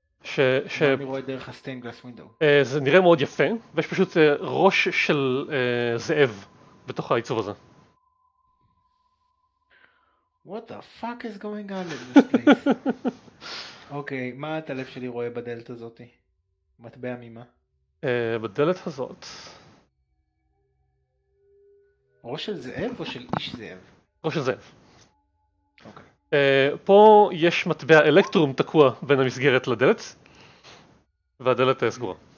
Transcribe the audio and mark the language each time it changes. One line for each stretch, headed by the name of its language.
Hebrew: אני רואה דרך ה-stained glass window. זה נראה מאוד יפה, ויש פשוט ראש של זאב בתוך הייצור הזה.
English: What the fuck is going on in this place?
Hebrew: אוקיי, מה את הלב שלי רואה בדלת הזאת? מטבע ממה? בדלת הזאת. ראש של זאב או של איש זאב? ראש של זאב. אוקיי. פה יש מטבע אלקטרום תקוע בין המסגרת לדלת, והדלת סגורה.